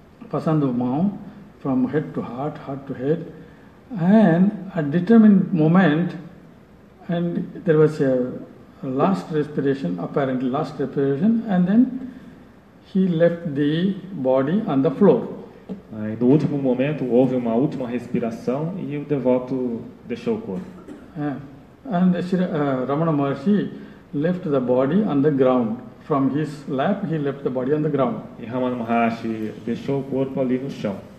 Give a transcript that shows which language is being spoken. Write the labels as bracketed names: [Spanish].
[Portuguese] Passando mão [English] from head to heart, heart to head, and a determined moment, and there was a last respiration, apparently last respiration, and then he left the body on the floor. [Portuguese] Aí, no último momento houve uma última respiração e o devoto deixou o corpo. [English] And Ramana Maharshi left the body on the ground. From his lap, he left the body on the ground. [Portuguese] E Ramana Maharshi deixou o corpo ali no chão.